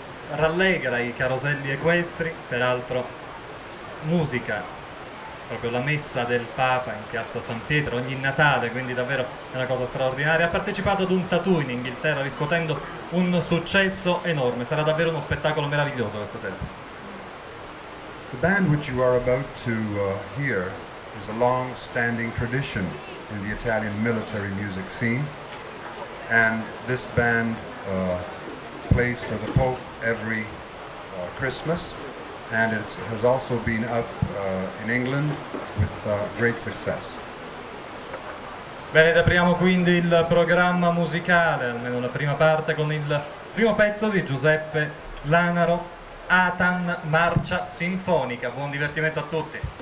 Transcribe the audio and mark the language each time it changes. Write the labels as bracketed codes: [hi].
[it] Rallegra i caroselli equestri, peraltro musica, proprio la messa del Papa in piazza San Pietro ogni Natale, quindi davvero è una cosa straordinaria. Ha partecipato ad un tattoo in Inghilterra riscuotendo un successo enorme. Sarà davvero uno spettacolo meraviglioso questa sera. [en] The band which you are about to hear is a long standing tradition in the Italian military music scene, and this band plays for the Pope every Christmas, and it has also been up in England with great success. [it] Bene, apriamo quindi il programma musicale, almeno la prima parte, con il primo pezzo di Giuseppe Lanaro, Atan, Marcia Sinfonica. Buon divertimento a tutti.